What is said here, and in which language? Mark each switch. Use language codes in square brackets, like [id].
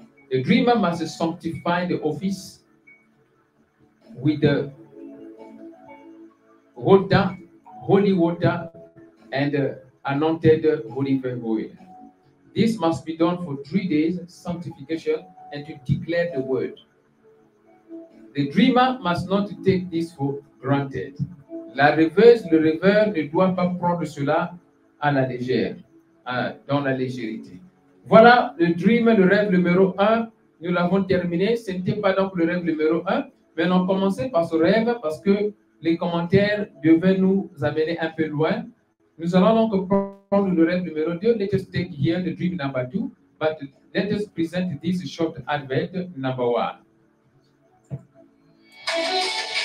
[en] The dreamer must sanctify the office with the water, holy water, and anointed holy oil. This must be done for 3 days sanctification and to declare the word. The dreamer must not take this for granted. [fr] La rêveuse, le rêveur ne doit pas prendre cela à la légère, dans la légérité. Voilà le dream, le rêve numéro 1. Nous l'avons terminé. Ce n'était pas donc le rêve numéro 1, mais on commençait par ce rêve parce que les commentaires devaient nous amener un peu loin. Nous allons donc prendre le rêve numéro 2. [en] Let us take here the dream number 2, but let us present this short advent number 1.